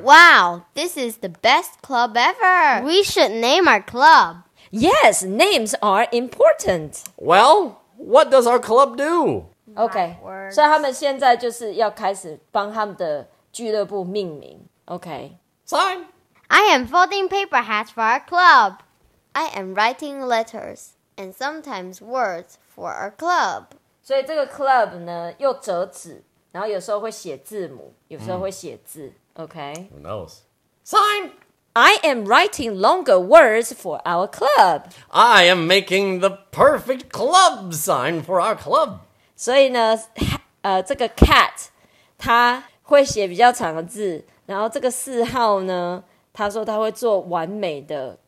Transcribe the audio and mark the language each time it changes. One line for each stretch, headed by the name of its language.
English: Wow, this is the best club ever. We should name our club. Yes, names are important. Well, what does our club do? Okay.
Chinese: 所以他们现在就是要开始帮他们的俱乐部命名。
English: Okay. Sign. I am folding paper hats for our club. I am writing letters and sometimes words for our club.
Chinese: 所以这个 club 呢，又折纸，然后有时候会写字母，有时候会写字。
English: OK. Who knows? Sign. I am writing longer words for our club. I am making the perfect club sign for our club.
Chinese: 所以呢，这个 cat 他会写比较长的字，然后这个四号呢，他说他会做完美的。